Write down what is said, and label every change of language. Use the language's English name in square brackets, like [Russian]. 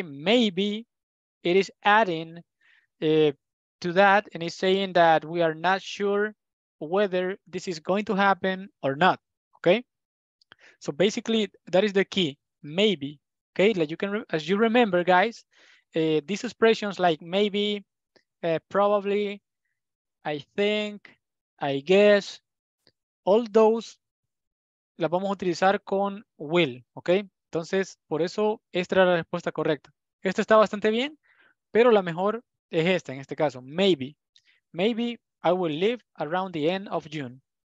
[English] Maybe it is adding to that and it's saying that we are not sure whether this is going to happen or not, okay? So basically, that is the key, maybe, Okay, like you can, as you remember, guys, these expressions like maybe, probably, I think, I guess, all those [Spanish] las vamos a utilizar con [English] will, okay? [Spanish] Entonces, por eso esta era la respuesta correcta. Esta está bastante bien, pero la mejor es esta, en este caso, maybe. [English] Maybe I will leave around the end of June.